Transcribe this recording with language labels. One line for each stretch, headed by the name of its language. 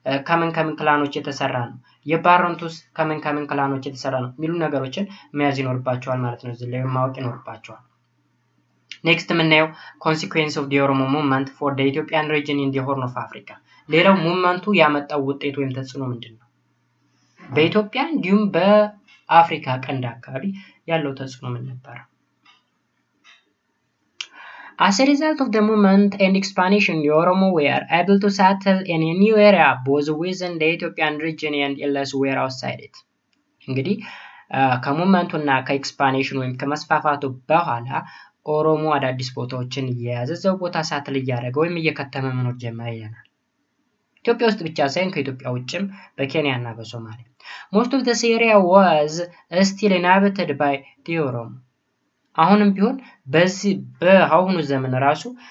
Amharic: ከምን ክላኖች የተሰራ ነው የባረንቱስ ከምን ክላኖች የተሰራ ነው የሚሉ ነገሮችን ማያዝ ይኖርባቸዋል ማለት ነው እዚህ ላይ ማወቅ ይኖርባቸዋል
English: Next menu consequence of the Oromo movement for the Ethiopian region in the Horn of Africa.
Amharic: ሌላው ሙመንቱ ያመጣው ውጤት ወይም ተጽዕኖ ምንድነው? በኢትዮጵያ እንዲሁም በአፍሪካ ቀንድ አካባቢ ያለው ተጽዕኖ ምን ነበር?
English: As a result of the movement and expansion, the Oromo were able to settle in a new area both within the Ethiopian region and elsewhere outside it.
Amharic: እንግዲህ ከሙመንቱና ከኤክስፓንሽን ወይም ከመስፋፋቱ በኋላ ኦሮሞ አዳዲስ ቦታዎችን ያዘ ዘው ቦታ ሳትል ያደረገ ወይም እየከተመ መኖር ጀመረ ይላል ኢትዮጵያ ውስጥ ብቻ ሳይሆን ከኢትዮጵያ ውጭም በኬንያና በሶማሊያ
English: most of the area was still inhabited by the Oromo
Amharic: አሁንም ቢሆን በዚህ በአሁኑ ዘመን ራሱ